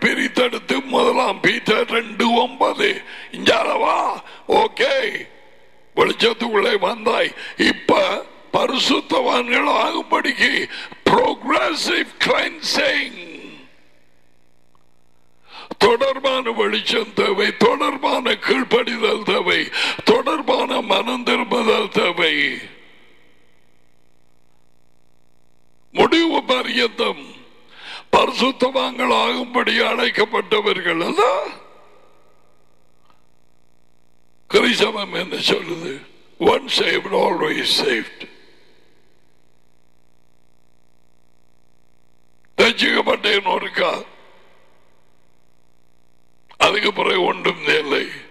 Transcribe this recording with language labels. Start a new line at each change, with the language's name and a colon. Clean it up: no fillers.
Tamil: பிரித்தெடுத்து முதலாம் Peter 2:9, இஞ்சாலவா, okay, வெளிச்சத்துக்குள்ளே வந்தாய், இப்ப பரிசுத்தவான்கள் ஆகும்படிக்கு ப்ரோக்ரெசிவ் கிளென்சிங், தொடர்பான வெளிச்சம் தேவை, தொடர்பான கீழ்ப்படிதல் தேவை, தொடர்பான மனம் திரும்புதல் தேவை. முடிவு பரியந்தம் பரிசுத்தவான்கள் ஆகும்படி அழைக்கப்பட்டவர்கள் அல்ல. கிறிஸ்தவம் என்ன சொல்லுது?
English: Once saved, always saved.
Tamil: ரட்சிக்கப்பட்டேன் ஒருக்கா, அதுக்கு பிறகு ஒன்றும் இல்லை.